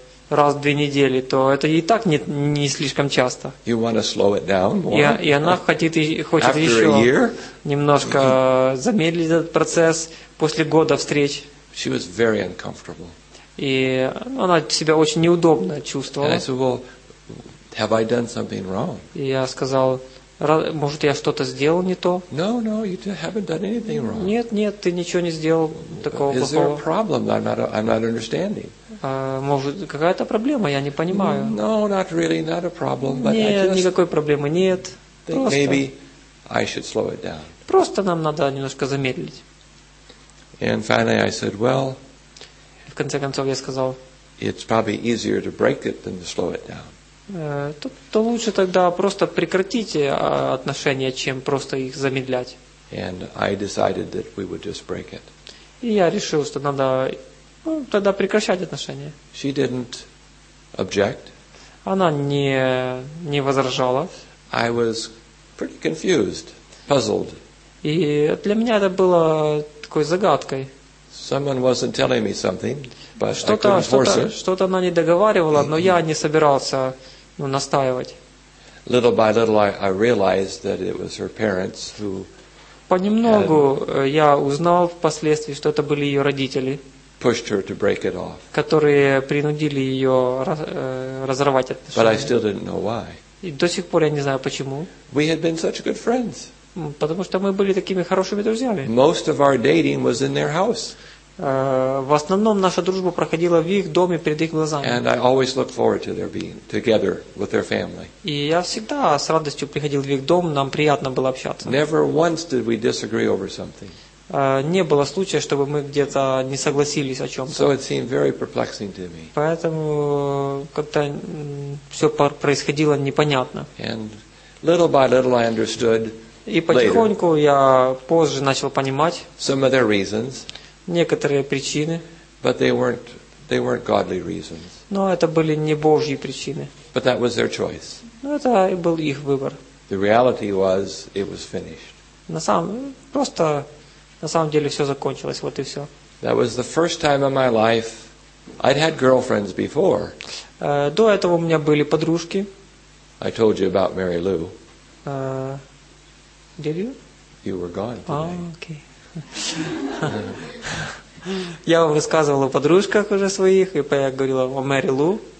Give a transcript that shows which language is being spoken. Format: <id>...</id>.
<ru>раз в две недели, то это и так не слишком часто.</ru> <en>You want to slow it down more?</en> <ru>И она хочет</ru> <en>After</en> <ru>еще</ru> <en>a year,</en> <ru>немножко замедлить этот процесс после года встреч.</ru> <en>She was very uncomfortable.</en> <ru>И она себя очень неудобно чувствовала.</ru> <en>And I said, well, have I done something wrong?</en> <ru>И я сказал, может, я что-то сделал не то?</ru> <en>No, no, you haven't done anything wrong.</en> <ru>Нет, нет, ты ничего не сделал такого плохого.</ru> <en>Is there a problem that I'm not understanding?</en> <ru>Может, какая-то проблема, я не понимаю.</ru> <en>No, not really, not a problem, but</en> <ru>нет,</ru> <en>I just...</en> <ru>никакой проблемы нет. Просто.</ru> <en>Maybe I should slow it down.</en> <ru>Просто нам надо немножко замедлить.</ru> <en>And finally I said, well...</en> <ru>В конце концов я сказал...</ru> <en>It's probably easier to break it than to slow it down.</en> <ru>То лучше тогда просто прекратить отношения, чем просто их замедлять.</ru> <en>And I decided that we would just break it.</en> <ru>И я решил, что надо тогда прекращать отношения.</ru> <en>She didn't object.</en> <ru>Она не возражала.</ru> <en>I was pretty confused, puzzled.</en> <ru>И для меня это было такой загадкой.</ru> <en>Someone wasn't telling me something, but</en> <ru>что-то,</ru> <en>I couldn't force her.</en> <ru>Что-то она не договаривала, но я не собирался... Ну, настаивать.</ru> <en>Little by little I realized that it was her parents who</en> <ru>понемногу я узнал впоследствии, что это были ее родители,</ru> <en>pushed her to break it off.</en> <ru>Которые принудили ее разорвать отношения.</ru> <en>But I still didn't know why.</en> <ru>И до сих пор я не знаю почему.</ru> <en>We had been such good friends.</en> <ru>Потому что мы были такими хорошими друзьями.</ru> <en>Most of our dating was in their house.</en> <ru>В основном наша дружба проходила в их доме перед их глазами.</ru> <en>And I always looked forward to their being together with their family.</en> <ru>И я всегда с радостью приходил в их дом, нам приятно было общаться.</ru> <en>Never once did we disagree over something.</en> <ru>Не было случая, чтобы мы где-то не согласились о чем-то.</ru> <en>So it seemed very perplexing to me.</en> <ru>Поэтому как-то все происходило непонятно.</ru> <en>And little by little I understood.</en> <ru>И потихоньку я позже начал понимать.</ru> <en>Some of their reasons.</en> <ru>Некоторые причины.</ru> <en>But they weren't godly reasons.</en> <ru>Но это были не Божьи причины.</ru> <en>But that was their choice.</en> <ru>Но это был их выбор.</ru> <en>The reality was, it was finished.</en> <ru>На самом деле все закончилось, вот и все.</ru> <en>That was the first time in my life I'd had girlfriends before.</en> <ru>До этого у меня были подружки.</ru> <en>I told you about Mary Lou. Did you? You were gone today. Oh, okay.</en> <ru>Я вам рассказывал о подружках уже своих, и я говорил о Мэри Лу.</ru>